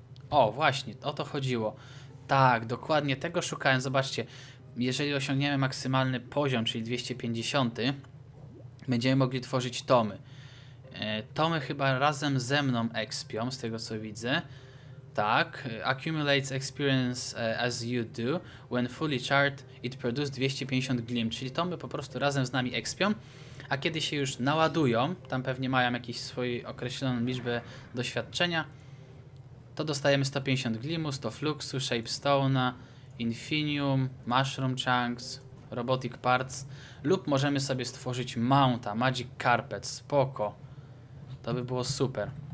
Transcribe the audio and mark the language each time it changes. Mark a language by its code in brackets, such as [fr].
[pl] O, właśnie, o to chodziło. Tak, dokładnie tego szukałem. Zobaczcie, jeżeli osiągniemy maksymalny poziom, czyli 250, będziemy mogli tworzyć tomy. Tomy chyba razem ze mną expią, z tego co widzę. [en] Tak, accumulates experience as you do. When fully charged, it produces 250 glim, [pl] czyli to my po prostu razem z nami expią. A kiedy się już naładują, tam pewnie mają jakąś swoją określoną liczbę doświadczenia, to dostajemy 150 glimu, 100 fluxu, shape stone'a, infinium, mushroom chunks, robotic parts, lub możemy sobie stworzyć mounta, magic carpet, spoko. To by było super.